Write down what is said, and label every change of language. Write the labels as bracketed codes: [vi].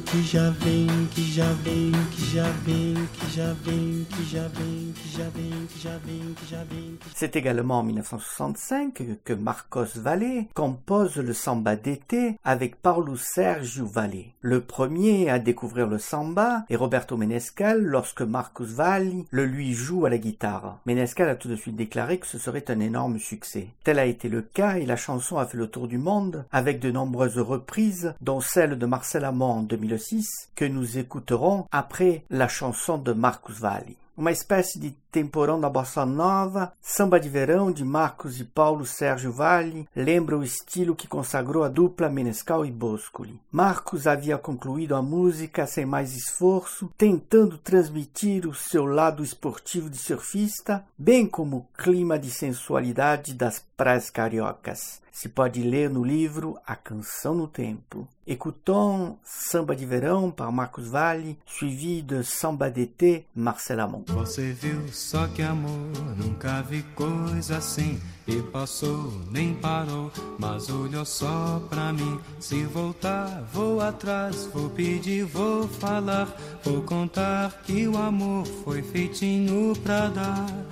[pt] Que já vem, que já vem, que já vem, que já vem, que já vem, que já vem, que já vem, que já vem. [fr] C'est également en 1965 que Marcos Valle compose le samba d'été avec Paulo Sérgio Valle. Le premier à découvrir le samba est Roberto Menescal lorsque Marcos Valle le lui joue à la guitare. Menescal a tout de suite déclaré que ce serait un énorme succès. Tel a été le cas et la chanson a fait le tour du monde avec de nombreuses reprises, dont celle de Marcel Amon en 2006 que nous écouterons après la chanson de Marcos Valle. [pt] Uma espécie de temporão da bossa nova, samba de verão de Marcos e Paulo Sérgio Valle, lembra o estilo que consagrou a dupla Menescal e Boscoli. Marcos havia concluído a música sem mais esforço, tentando transmitir o seu lado esportivo de surfista, bem como o clima de sensualidade das praias cariocas. Se pode ler no livro A Canção no Tempo. [fr] Écoutons Samba de Verão par Marcos Valle, suivi de Samba d'été Marcel Amon. [pt] Você viu só que amor, nunca vi coisa assim. E passou, nem parou, mas olhou só pra mim. Se voltar, vou atrás, vou pedir, vou falar. Vou contar que o amor foi feitinho pra dar.